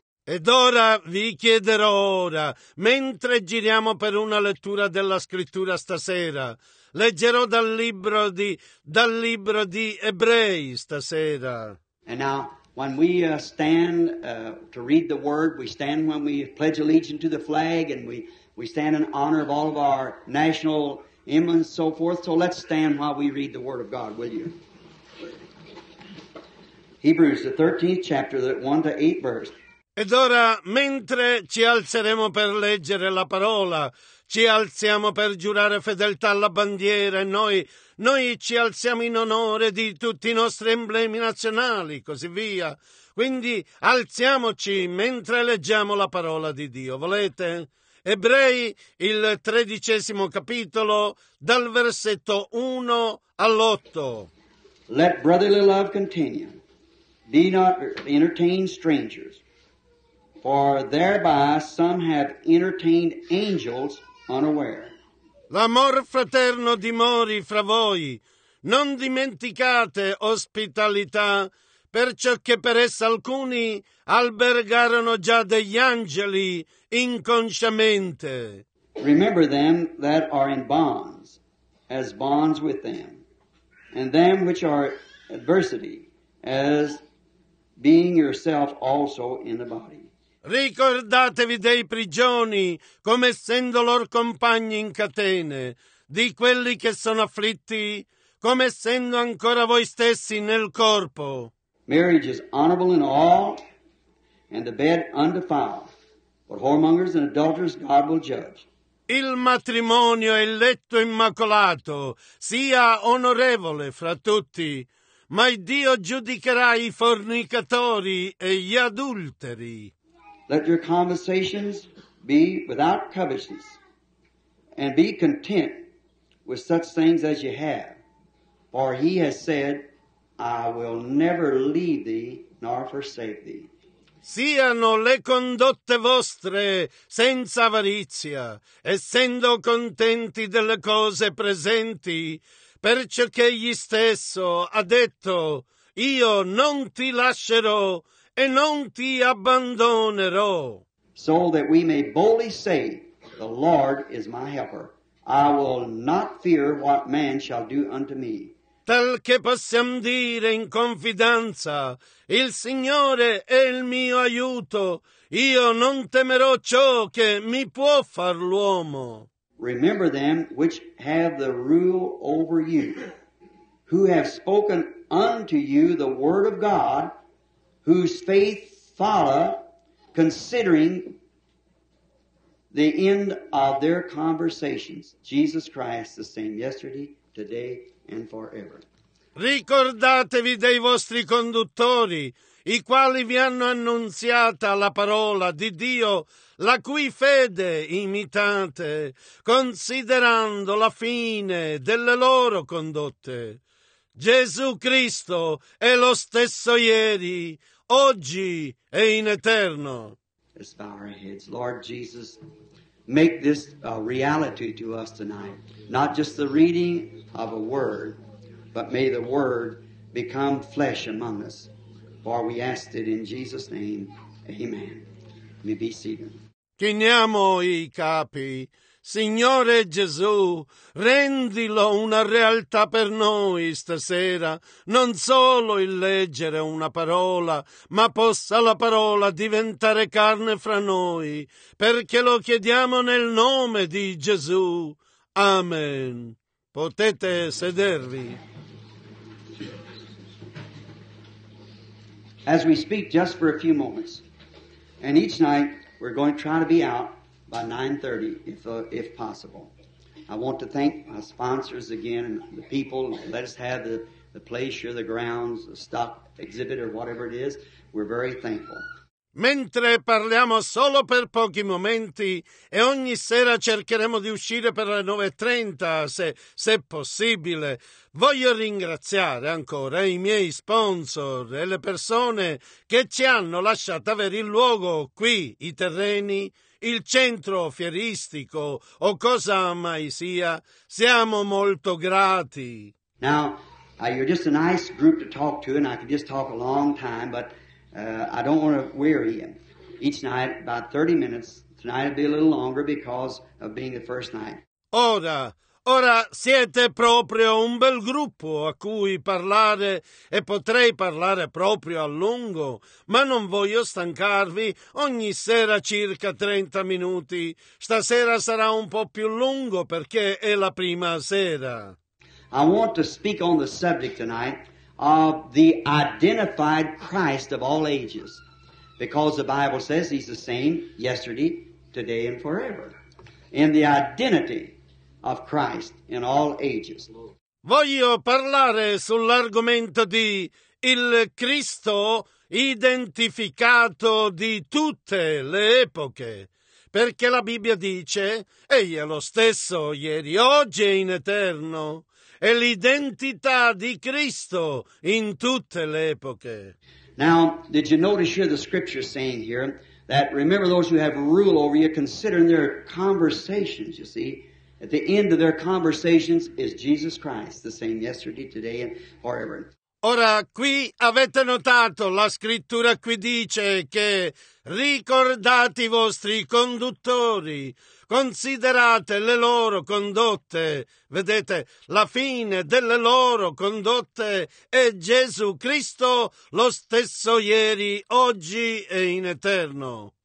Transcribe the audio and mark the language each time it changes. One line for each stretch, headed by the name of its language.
Italian: Ed ora vi chiederò ora, mentre giriamo per una lettura della scrittura stasera, leggerò dal libro di Ebrei stasera.
English: And now, when we stand to read the word, we stand when we pledge allegiance to the flag, and we stand in honor of all of our national emblems, so forth. So let's stand while we read the Word of God, will you? Hebrews, the 13th chapter, the 1 to 8 verse.
Italian: Ed ora, mentre ci alzeremo per leggere la parola, ci alziamo per giurare fedeltà alla bandiera e noi ci alziamo in onore di tutti i nostri emblemi nazionali, così via. Quindi alziamoci mentre leggiamo la parola di Dio, volete? Ebrei, il 13° capitolo, dal versetto 1 all'8.
English: Let brotherly love continue. Be not entertain strangers, for thereby some have entertained angels unaware.
Italian: L'amor fraterno dimori fra voi. Non dimenticate ospitalità, perciò che per essa alcuni albergarono già degli angeli inconsciamente.
English: Remember them that are in bonds, as bonds with them, and them which are adversity, as being yourself also in the body.
Italian: Ricordatevi dei prigioni, come essendo loro compagni in catene, di quelli che sono afflitti, come essendo ancora voi stessi nel corpo.
English: Marriage is honorable in all, and the bed undefiled. But whoremongers and adulterers God will judge.
Italian: Il matrimonio e il letto immacolato sia onorevole fra tutti, ma Dio giudicherà i fornicatori e gli adulteri.
English: Let your conversations be without covetousness, and be content with such things as you have. For he has said, I will never leave thee nor forsake thee.
Italian: Siano le condotte vostre senza avarizia, essendo contenti delle cose presenti, perciò che egli stesso ha detto, io non ti lascerò e non ti abbandonerò.
English: So that we may boldly say, the Lord is my helper. I will not fear what man shall do unto me.
Italian: Tal che possiamo dire in confidenza, il Signore è il mio aiuto, io non temerò ciò che mi può far l'uomo.
English: Remember them which have the rule over you, who have spoken unto you the word of God, whose faith follow, considering the end of their conversations. Jesus Christ the same yesterday, today, and forever.
Italian: Ricordatevi dei vostri conduttori, i quali vi hanno annunziata la parola di Dio, la cui fede imitate, considerando la fine delle loro condotte. Gesù Cristo è lo stesso ieri, oggi e in eterno.
English: Let's bow our heads. Lord Jesus, make this a reality to us tonight. Not just the reading of a word, but may the word become flesh among us. For we ask it in Jesus' name. Amen. May be seated.
Italian: Chiniamo i capi. Signore Gesù, rendilo una realtà per noi stasera, non solo il leggere una parola, ma possa la parola diventare carne fra noi, perché lo chiediamo nel nome di Gesù. Amen. Potete sedervi.
English: As we speak just for a few moments, and each night we're going to try to be out by 9:30, if possible. I want to thank my sponsors again and the people. Let us have the place or the grounds, the stock exhibit or whatever it is. We're very thankful.
Italian: Mentre parliamo solo per pochi momenti e ogni sera cercheremo di uscire per le 9:30 se possibile, voglio ringraziare ancora i miei sponsor e le persone che ci hanno lasciato avere il luogo qui, i terreni, il centro fieristico o cosa mai sia. Siamo molto grati.
English: Now, you're just a nice group to talk to and I could just talk a long time, but I don't want to weary you. Each night, about 30 minutes. Tonight will be a little longer because of being the first night.
Italian: Ora siete proprio un bel gruppo a cui parlare e potrei parlare proprio a lungo, ma non voglio stancarvi. Ogni sera circa 30 minuti. Stasera sarà un po' più lungo perché è la prima sera.
English: I want to speak on the subject tonight of the identified Christ of all ages, because the Bible says he's the same yesterday, today, and forever. In the identity of Christ in all ages.
Italian: Voglio parlare sull'argomento di il Cristo identificato di tutte le epoche, perché la Bibbia dice egli è lo stesso ieri, oggi e in eterno. È l'identità di Cristo in tutte le epoche.
English: Now, did you notice here the scripture saying here that remember those who have rule over you, considering their conversations, you see, at the end of their conversations is Jesus Christ, the same yesterday, today, and forever.
Italian: Ora, qui avete notato, la scrittura qui dice che ricordate i vostri conduttori, considerate le loro condotte, vedete, la fine delle loro condotte è Gesù Cristo, lo stesso ieri, oggi e in eterno.